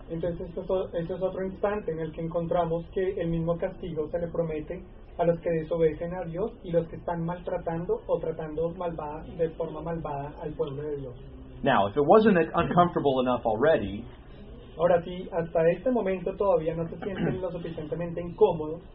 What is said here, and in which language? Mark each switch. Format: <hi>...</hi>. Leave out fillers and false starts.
<es>Entonces, este es otro instante en el que encontramos que el mismo castigo se le promete a los que desobedecen a Dios y los que están maltratando o tratando malvada, de forma malvada al pueblo de Dios.</es> <en>Now, if it wasn't uncomfortable enough already,</en> <es>ahora sí, hasta este momento todavía no se sienten lo suficientemente incómodos.</es>